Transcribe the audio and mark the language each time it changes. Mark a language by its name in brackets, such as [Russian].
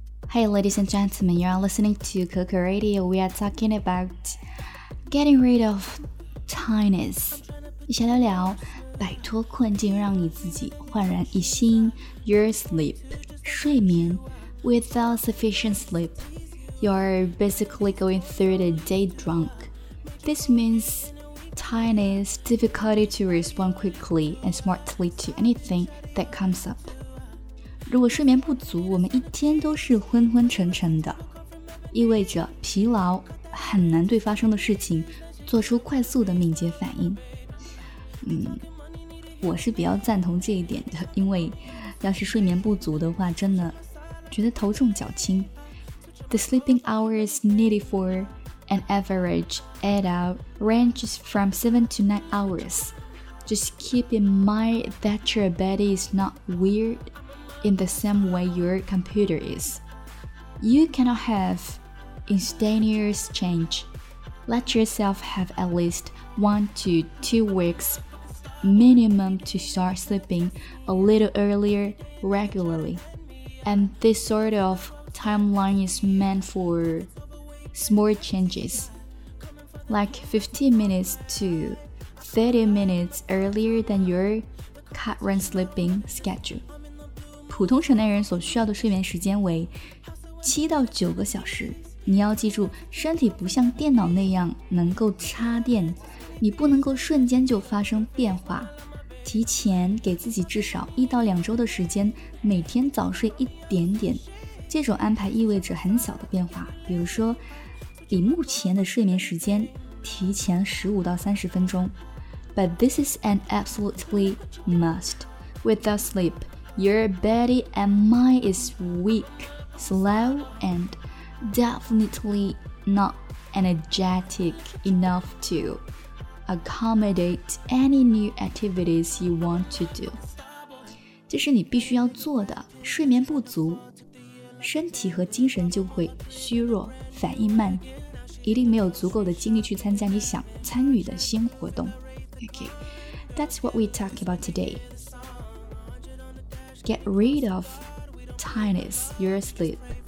[English] Hey, ladies and gentlemen, you are listening to Coco Radio. We are talking about getting rid of tiredness. [Chinese] 一起来聊聊摆脱困境，让你自己焕然一新。 [English] Your sleep, 睡眠 without sufficient sleep, you are basically going through the day drunk. This means tiredness, difficulty to respond quickly and smartly to anything that comes up. [Chinese] 如果睡眠不足，我们一天都是昏昏沉沉的，意味着疲劳，很难对发生的事情做出快速的敏捷反应。我是比较赞同这一点的，因为要是睡眠不足的话，真的觉得头重脚轻。 [English] The sleeping hours needed for an average adult ranges from 7 to 9 hours. Just keep in mind that your body is not weirdIn the same way your computer is. You cannot have instantaneous change. Let yourself have at least 1 to 2 weeks minimum to start sleeping a little earlier regularly. And this sort of timeline is meant for small changes, like 15 minutes to 30 minutes earlier than your current sleeping schedule. [Chinese] 普通成年人所需要的睡眠时间为7到9个小时。你要记住，身体不像电脑那样能够插电，你不能够瞬间就发生变化。提前给自己至少1到2周的时间，每天早睡一点点。这种安排意味着很小的变化，比如说，比目前的睡眠时间提前15到30分钟。 [English] But this is an absolutely must. Without sleep. Your body and mind is weak, slow, and definitely not energetic enough to accommodate any new activities you want to do. [Chinese] 这是你必须要做的。睡眠不足，身体和精神就会虚弱，反应慢，一定没有足够的精力去参加你想参与的新活动。 [English] Okay, that's what we talk about today. Get rid of tiredness, your sleep.